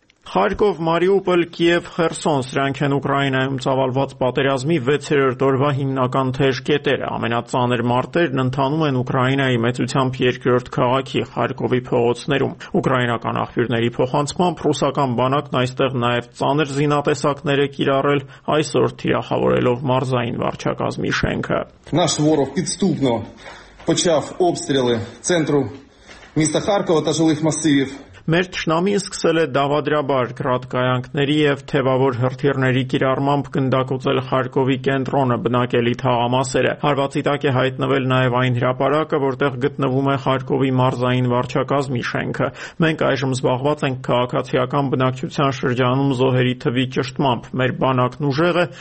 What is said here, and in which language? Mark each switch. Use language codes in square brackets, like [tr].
[hy] Խարկով, Մարիուպոլ, Կիև, Խերսոն, սրանք են Ուկրաինայում ծավալված պատերազմի 6-րդ օրվա հիմնական թեժկետերը։ Ամենածանր մարտերն ընթանում են Ուկրաինայի մեծությամբ 2-րդ քաղաքի Խարկովի փողոցներում։ Ուկրաինական աղբյուրների փոխանցումը ռուսական բանակն այստեղ նաև ծանր զինատեսակներ է կիրառել, այսօր թիրախավորելով մարզային վարչակազմի շենքը։ [uk] Наш Суворов підступно почав обстріли центру міста Харкова та жилих масивів. [hy] Մեր ճշնամին սկսել է դավադրաբար գրատկայանքների և թևավոր հրթիռների կիրառմամբ գնդակոծել Խարկովի կենտրոնը, բնակելի թաղամասերը։ Հարվածի տակ է հայտնվել նաև այն հրապարակը, որտեղ գտնվում է Խարկովի մարզային վարչակազմի շենքը։ Մենք այժմ զբաղված ենք քաղաքացիական բնակչության շրջանում զոհերի թվի ճշտմամբ։ Մեր բանակն ուժեղ է,